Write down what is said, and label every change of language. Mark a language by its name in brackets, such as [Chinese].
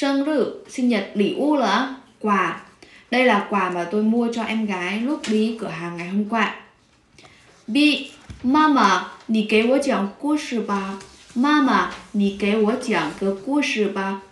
[Chinese] 这是我昨天去商店给妹妹买的生日礼物。这是昨天去商店给妹妹买的生日礼物。这是昨天去商店，商店呢？cửa hàng，生日，sinh nhật礼物了，quà. [Vietnamese] Đây là quà mà tôi mua cho em gái lúc đi cửa hàng ngày hôm qua. [Chinese] B, mama, 你给我讲故事吧。 Mama, 你给我讲个故事吧.